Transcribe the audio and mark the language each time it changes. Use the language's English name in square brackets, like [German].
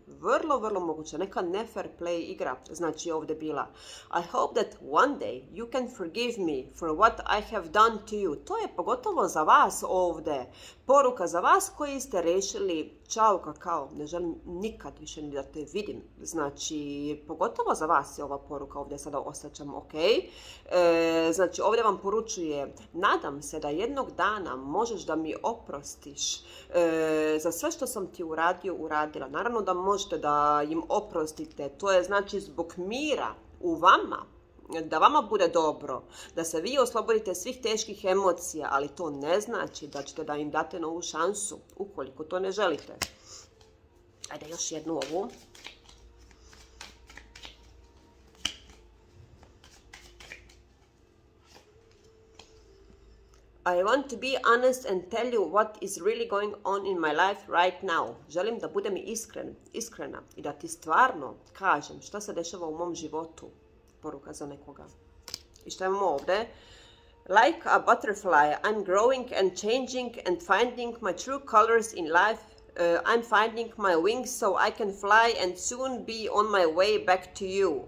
[Serbian] Vrlo, vrlo moguće, neka ne fair play igra, znači ovdje bila. [English] I hope that one day you can forgive me for what I have done to you. [Serbian] To je pogotovo za vas ovdje, poruka za vas koji ste rešili, čao kakao, ne želim nikad više ni da te vidim. Znači, pogotovo za vas je ova poruka ovdje, sada osjećam, ok? Znači, ovdje vam poručuje, nadam se da jednog dana možeš da mi oprostiš za sve što sam ti uradio, uradila. Naravno da možete da im oprostite, to je znači zbog mira u vama, da vama bude dobro, da se vi oslobodite svih teških emocija, ali to ne znači da ćete da im date novu šansu, ukoliko to ne želite. Ajde, još jednu ovu. [English] I want to be honest and tell you what is really going on in my life right now. [Serbian] Želim da budem iskrena i da ti stvarno kažem šta se dešava u mom životu. Poruka za nekoga. I šta imamo ovdje? [English] Like a butterfly, I'm growing and changing and finding my true colors in life. I'm finding my wings so I can fly and soon be on my way back to you.